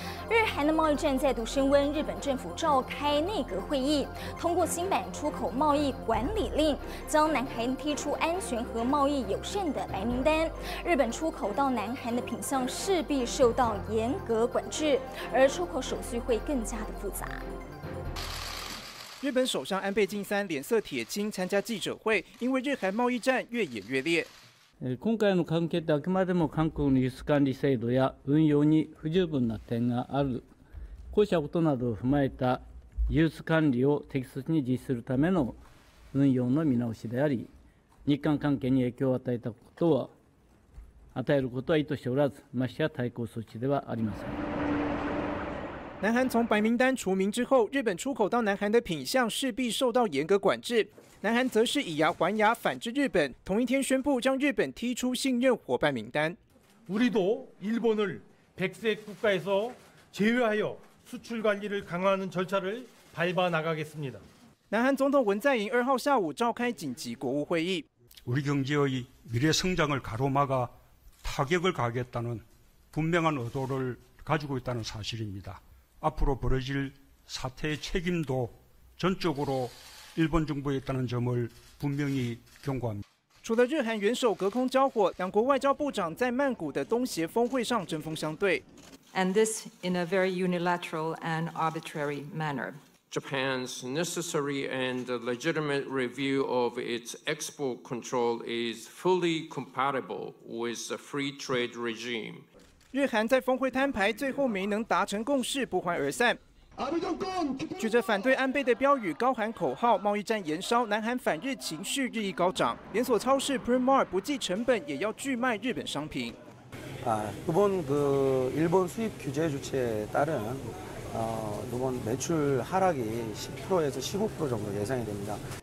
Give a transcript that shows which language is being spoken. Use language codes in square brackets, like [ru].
[zh] 日韩的贸易战再度升温，日本政府召开内阁会议，通过新版出口贸易管理令，将南韩踢出安全和贸易友善的白名单，日本出口到南韩的品项势必受到严格管制，而出口手续会更加的复杂。日本首相安倍晋三脸色铁青参加记者会，因为日韩贸易战越演越烈。 [ja] 今回の関係ってあくまでも韓国の輸出管理制度や運用に不十分な点がある。こうしたことなどを踏まえた輸出管理を適切に実施するための運用の見直しであり、日韓関係に影響を与えたことは、与えることは意図しておらず、ましてや対抗措置ではありません。 [zh] 南韓从白名单除名之后、日本出口到南韓的品项势必受到严格管制。南韩则是以牙还牙，反制日本。同一天宣布将日本踢出信任伙伴名单。 [ko] 우리도일본을백색국가에서제외하여수출관리를강화하는절차를밟아나가겠습니다。 [zh] 南韩总统文在寅2号下午召开紧急国务会议。 [ko] 우리경제의미래성장을가로막아타격을가하겠다는분명한의도를가지고있다는사실입니다。 앞으로벌어질사태의책임도전적으로일본정부에있다는점을분명히경고합니다。 [zh] 除了日韩元首隔空交火，两国外交部长在曼谷的东协峰会上针锋相对。 [en] And this in a very unilateral and arbitrary manner. Japan's necessary and legitimate review of its export control is fully compatible with the free trade regime. [zh] 日韩在峰会摊牌，最后没能达成共识，不欢而散。举着反对安倍的标语高喊口号，贸易战延烧，南韩反日情绪日益高涨。连锁超市 Primark 不计成本也要拒卖日本商品。 [ko] 아이번그일본수입규제조치에따른이번매출하락이 10% 에서 15% 정도예상이됩니다。